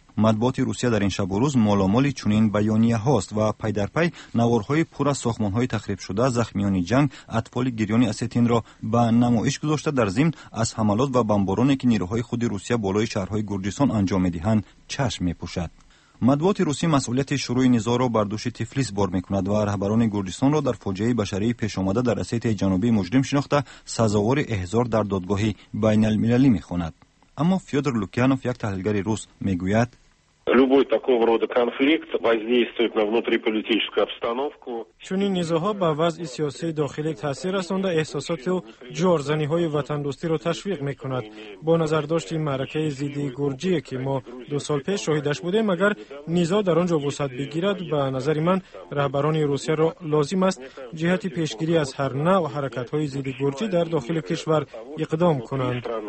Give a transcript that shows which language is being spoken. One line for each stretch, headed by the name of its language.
Persian: مطبوعات روسیه در این شب و روز مالامال چنین بیانیه هاست و پی در پی نوارهای پر از ساختمان های تخریب شده، زخمیان جنگ، اطفال گریان اسیتین را به نمایش گذاشته، در ضمن از حملات و بمبارانی که نیروهای خود روسیه بالای شهرهای گرجستان انجام میدهند چشم میپوشد. مطبوعات روسی مسئولیت شروع نزاع را بر دوش تفلیس بار میکند و رهبران گرجستان را در فاجعه بشری پیش آمده در اسیتیا جنوبی مجرم شناخته، سزاوار احضار در دادگاه بین المللی میخواند. اما فیودر لوکیانوف، یک تحلیلگر روس، میگوید:
Russian: любой такого рода конфликт воздействует на внутриполитическую обстановку.
Persian: چنین نزاع‌ها به وضع سیاسی داخلی تاثیر رسانده، احساسات و جارزنی‌های وطن‌دوستی را تشویق می‌کند. با نظر داشت معرکه ضد گرجی که ما دو سال پیش شاهدش بودیم، اگر نزاع در آنجا وسعت بگیرد، به نظر من رهبران روسیه را لازم است جهت پیشگیری از هر نوع حرکت‌های ضد گرجی در داخل کشور اقدام کنند.